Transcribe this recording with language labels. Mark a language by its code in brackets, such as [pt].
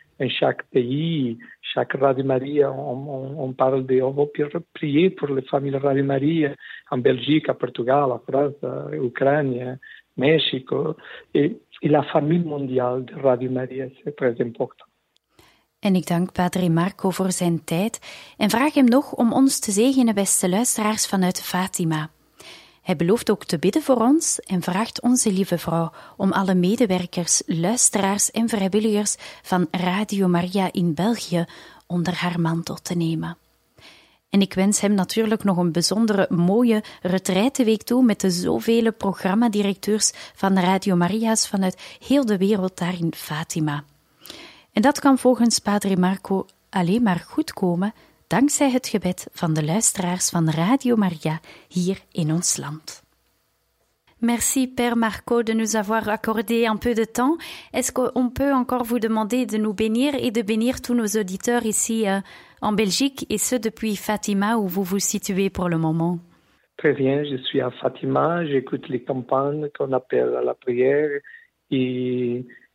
[fr] En chaque pays, chaque Radio Maria, on parle de, on va prier pour les familles Radio Maria, en Belgique, en Portugal, en France, en Ukraine, en Mexique. Et la famille mondiale de Radio Maria, c'est très important. [nl] En ik dank Padre Marco voor zijn tijd en vraag hem nog om ons te zegenen, beste luisteraars vanuit Fatima. Hij belooft ook te bidden voor ons en vraagt onze lieve vrouw om alle medewerkers, luisteraars en vrijwilligers van Radio Maria in België onder haar mantel te nemen. En ik wens hem natuurlijk nog een bijzondere, mooie retraiteweek toe met de zoveel programmadirecteurs van Radio Maria's vanuit heel de wereld daar in Fatima. En dat kan volgens Padre Marco alleen maar goed komen dankzij het gebed van de luisteraars van Radio Maria hier in ons land. [fr] Merci Père Marco de nous avoir accordé un peu de temps. Est-ce qu'on peut encore vous demander de nous bénir et de bénir tous nos auditeurs ici en Belgique et ce depuis Fatima où vous vous situez pour le moment? Très bien, je suis à Fatima, j'écoute les campagnes qu'on appelle à la prière et...